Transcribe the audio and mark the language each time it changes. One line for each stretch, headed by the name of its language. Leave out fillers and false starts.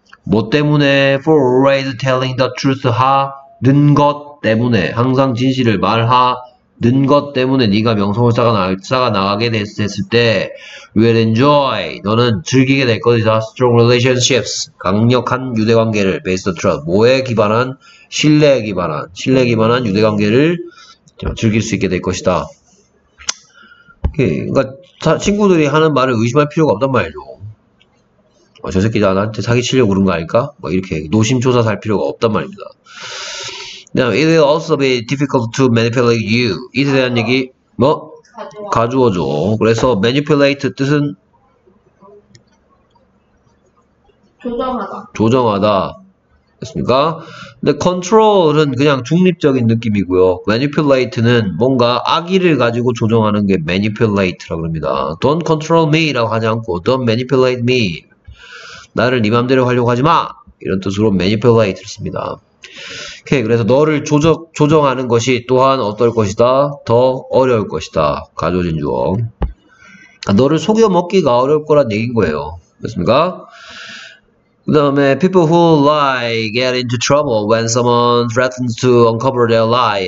Korean: 뭐 때문에,
English: for always telling the truth,
Korean: 하는 것 때문에, 항상 진실을 말하는 것 때문에 네가 명성을 쌓아 나가게 됐을 때,
English: will enjoy,
Korean: 너는 즐기게 될 것이다,
English: strong relationships,
Korean: 강력한 유대관계를,
English: based on trust,
Korean: 뭐에 기반한, 신뢰에 기반한 유대관계를 즐길 수 있게 될 것이다. 그니까, 친구들이 하는 말을 의심할 필요가 없단 말이죠. 저 새끼 나한테 사기치려고 그런 거 아닐까? 뭐, 이렇게 노심초사 살 필요가 없단 말입니다.
English: It will also be difficult to manipulate you.
Korean: 이에 대한 얘기, 뭐? 가주어죠. 그래서, manipulate 뜻은? 조정하다. 됐습니까? 근데 control은 그냥 중립적인 느낌이고요. manipulate는 뭔가 악의를 가지고 조종하는 게 manipulate라고 합니다.
English: don't control me라고
Korean: 하지 않고
English: don't manipulate me.
Korean: 나를 네 맘대로 하려고 하지 마. 이런 뜻으로 manipulate를 씁니다. 오케이. 그래서 너를 조정하는 것이 또한 어떨 것이다? 더 어려울 것이다. 가져진 주어. 너를 속여 먹기가 어려울 거란 얘긴 거예요. 됐습니까? 그 다음에
English: people who lie get into trouble when someone threatens to uncover their lie.